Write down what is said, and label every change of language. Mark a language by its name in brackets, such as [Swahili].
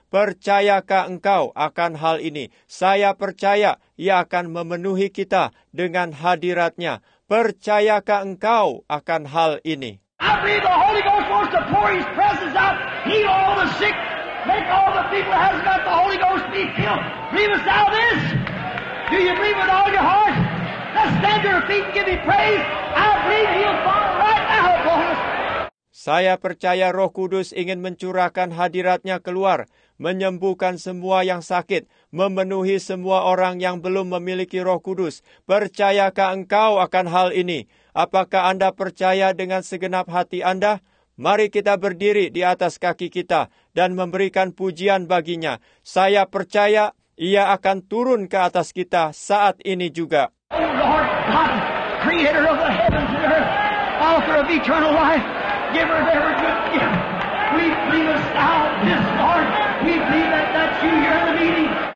[Indonesian] Percayakah engkau akan hal ini? Saya percaya ia akan memenuhi kita dengan hadirat-Nya. Percayakah engkau akan hal ini? [English] I believe the Holy Ghost wants to pour His presence out, heal all the sick, make all the people that hasn't got the Holy Ghost be healed. Believest thou this? Do you believe with all your heart? Let's stand to your feet and give Him praise. I believe He'll fall right now, boys. [Indonesian] Saya percaya Roh Kudus ingin mencurahkan hadirat-Nya keluar, menyembuhkan semua yang sakit, memenuhi semua orang yang belum memiliki Roh Kudus. Percayakah engkau akan hal ini? Apakah Anda percaya dengan segenap hati Anda? Mari kita berdiri di atas kaki kita dan memberikan pujian bagi-Nya. Saya percaya Ia akan turun ke atas kita saat ini juga. [English] Oh Lord God, creator of the heavens and earth, author of eternal life, giver of every good gift. We believest thou this, Lord. We believe that that's you here in the meeting.